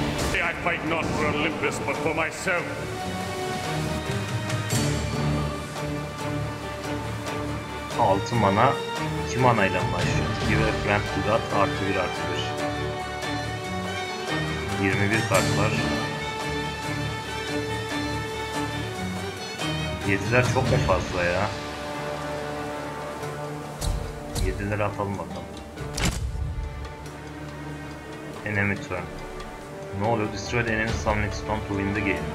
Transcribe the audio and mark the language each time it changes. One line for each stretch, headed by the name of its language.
English: See, I fight not for Olympus, but for myself.
Turkish: Altı mana, iki mana ile başlıyor.
English: Give a friend to God,
Turkish: artı bir artı bir. 21 kart var. Yediler çok mu fazla ya? Yediler atalım bakalım.
English: Enemy turn.
Turkish: Ne oluyor?
English: Destroy the enemy summoning stone to win the game.